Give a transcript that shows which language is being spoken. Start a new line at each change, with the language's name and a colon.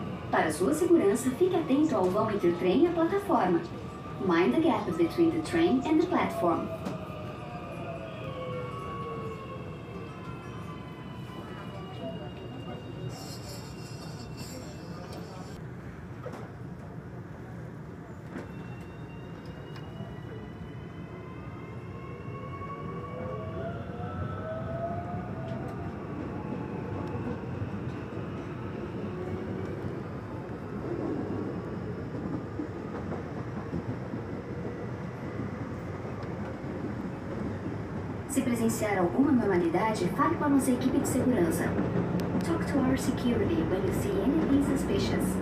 Portuguese: Para sua segurança, fique atento ao vão entre o trem e a plataforma.
English: Mind the gap between the train and the platform.
Portuguese: Se presenciar alguma anormalidade, fale com a nossa equipe de segurança.
English: Talk to our security when you see anything suspicious.